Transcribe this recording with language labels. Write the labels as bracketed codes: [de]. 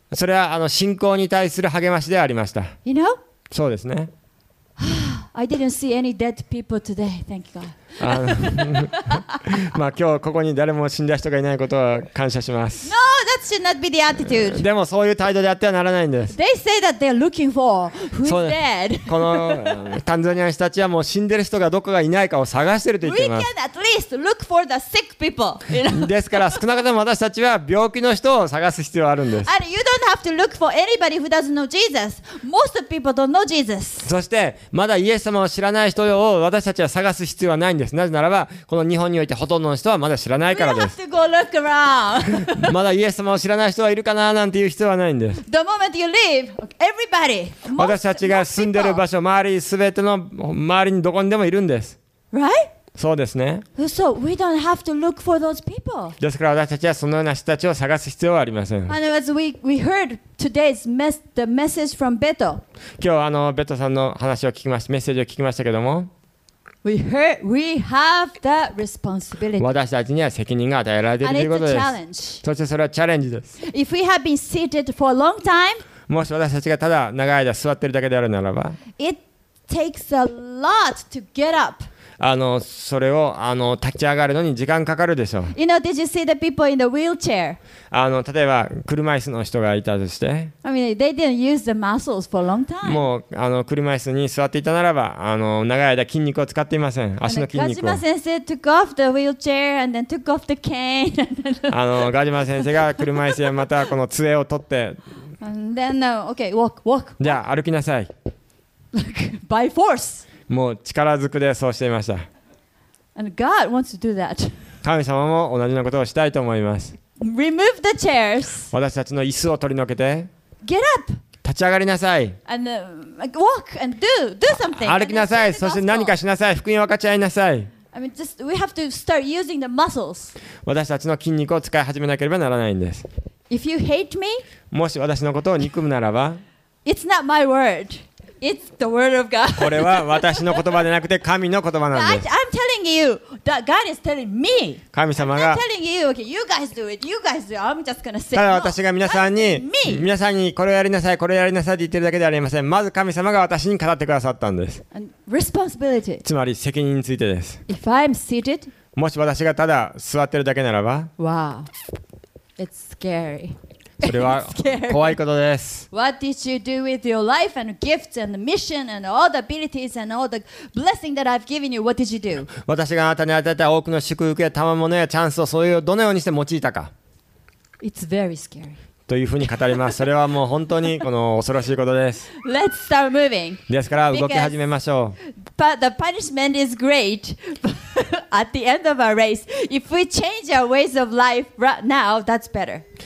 [ja] それはあの信仰に対する励ましでありました。 [en] You know? [ja] そうですね。 [en] I didn't see any dead people today. Thank you, God. [ja] まあ今日ここに誰も死んだ人がいないことは感謝します。 [en] No, that should not be the attitude. [ja] でもそういう態度であってはならないんです。 [en] They say that they are looking for who's dead. [ja] このタンザニアの人たちはもう死んでる人がどこがいないかを探してると言っています。 [en] We can at least look for the sick people. [ja] ですから少なくとも私たちは病気の人を探す必要があるんです。 [en] And you don't have to look for anybody who doesn't know Jesus. Most people don't know Jesus. [ja] そしてまだイエス様を知らない人を私たちは探す必要はないんです。なぜならばこの日本においてほとんどの人はまだ知らないからです。 [en] We don't have to go look around. [ja] まだイエス様を知らない人はいるかななんていう必要はないんです。 [en] The moment you leave, everybody, most, [ja] 私たちが住んでる場所、周り全ての周りにどこにでもいるんです。 [en] Right? [ja] そうですね。 [en] So we don't have to look for those people. [ja] ですから私たちはそのような人たちを探す必要はありません。 [en] And as we heard today's the message from Beto. [ja] 今日あのベトさんの話を聞きました、メッセージを聞きましたけども、 [en] We have the responsibility. [ja] 私たちには責任が与えられているということです。 [en] And it's a challenge. [ja] そしてそれはチャレンジです。 [en] If we have been seated for a long time, [ja] もし私たちがただ長い間座っているだけであるならば、 [en] It takes a lot to get up. [ja] あのそれをあの立ち上がるのに時間かかるでしょう。 [en] You know, did you see the people in the wheelchair? [ja] あの例えば車椅子の人がいたとして、 [en] I mean, they didn't use the muscles for a long time. [ja] もうあの車椅子に座っていたならば、あの長い間筋肉を使っていません。足の筋肉を。 [en] ガジマ先生 took off the wheelchair and then took off the cane. [ja] あのガジマ先生が車椅子やまたこの杖を取って、 [en] and then no, okay, walk. [ja] じゃあ歩きなさい。 [en] By force. [ja] もう力ずくでそうしていました。 [en] And God wants to do that. [ja] 神様も同じなことをしたいと思います。 [en] Remove the chairs. [ja] 私たちの椅子を取り除けて。 [en] Get up. [ja] 立ち上がりなさい。 [en] And walk and do something. [ja] 歩きなさい。そして何かしなさい。福音を分かち合いなさい。 [en] I mean, just we have to start using the muscles. [ja] 私たちの筋肉を使い始めなければならないんです。 [en] If you hate me, [ja] もし私のことを憎むならば、 [en] It's not my word. It's the word of God. [ja] これは私の言葉でなくて神の言葉なんです。 [en] I'm telling you that God is telling me. [ja] 神様が。 [en] I'm telling you, okay, you guys do it. You guys do it. I'm just gonna say. [ja] ただ私が皆さんに、皆さんにこれをやりなさい、これをやりなさいって言ってるだけではありません。まず神様が私に語ってくださったんです。 [en] Responsibility. [ja] つまり責任についてです。 [en] If I'm seated. [ja] もし私がただ座ってるだけならば。 [en] Wow. It's scary. [ja] それは怖いことです。 [en] What did you do with your life and gifts and mission and all the abilities and all the blessing that I've given you? What did you do? [ja] 私があなたに与えた多くの祝福や賜物やチャンスをそういうどのようにして用いたか。 [en] It's very scary. [ja] というふうに語ります。それはもう本当にこの恐ろしいことです。 [en] Let's start moving. [ja] ですから動き始めましょう。 [en] But the punishment is great. At the end of our race, if we change our ways of life right now, that's better.